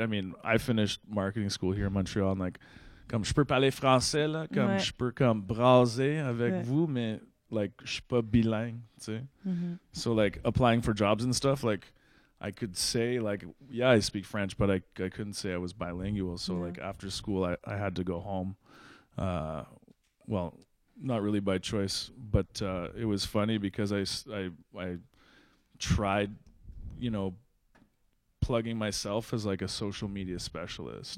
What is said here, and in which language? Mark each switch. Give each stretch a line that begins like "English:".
English: I mean, I finished marketing school here in Montreal.
French: And like, comme je peux parler français, là, comme je peux comme braser avec vous, mais like, je suis pas bilingue, tu sais. Mm-hmm.
English: So, like, applying for jobs and stuff, like, I could say, like, yeah, I speak French, but I couldn't say I was bilingual. So, like, after school, I had to go home. Well, not really by choice, but it was funny because I tried, you know, plugging myself as, like, a social media specialist.